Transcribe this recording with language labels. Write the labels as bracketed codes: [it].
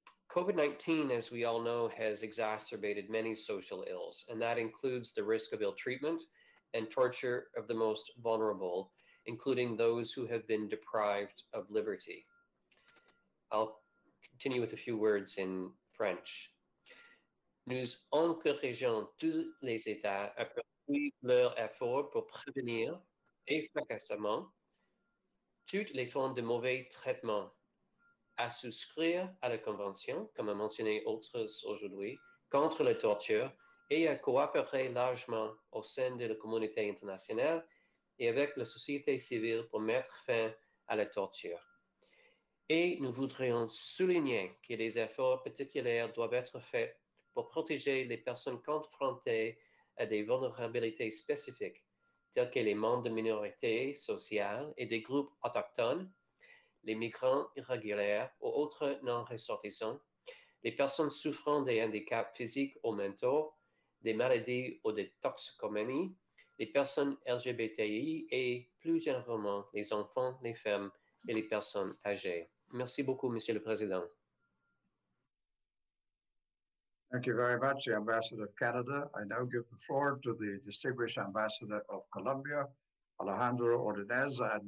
[en] COVID-19, as we all know, has exacerbated many social ills, and that includes the risk of ill treatment and torture of the most vulnerable, including those who have been deprived of liberty. I'll continue with a few words in French. [fr] Nous encourageons tous les États à leur effort pour prévenir efficacement toutes les formes de mauvais traitements, à souscrire à la Convention, comme a mentionné autres aujourd'hui, contre la torture et à coopérer largement au sein de la communauté internationale et avec la société civile pour mettre fin à la torture. Et nous voudrions souligner que des efforts particuliers doivent être faits pour protéger les personnes confrontées à des vulnérabilités spécifiques, telles que les membres de minorités sociales et des groupes autochtones, les migrants irréguliers ou autres non-ressortissants, les personnes souffrant des handicaps physiques ou mentaux, des maladies ou des toxicomanies, les personnes LGBTI et plus généralement les enfants, les femmes et les personnes âgées. Merci beaucoup, Monsieur le Président. [en] Thank you very much, the Ambassador of Canada. I now give the floor to the distinguished Ambassador of Colombia, Alejandro Ordonez.